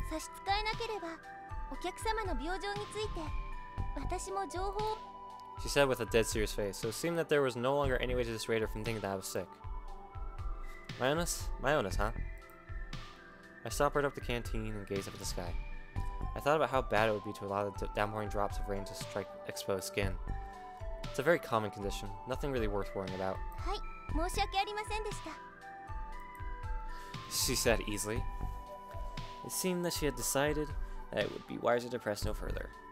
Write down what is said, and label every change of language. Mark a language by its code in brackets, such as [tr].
[ja] 差し支えなければ、お客様の病状について、私も情報。 [en] She said with a dead serious face, so it seemed that there was no longer any way to dissuade her from thinking that I was sick. My illness? My illness, huh? I stopped right up the canteen and gazed up at the sky. I thought about how bad it would be to allow the downpouring drops of rain to strike exposed skin. It's a very common condition, nothing really worth worrying about. [ja] はい、申し訳ありませんでした。 [en] She said easily. It seemed that she had decided that it would be wiser to press no further.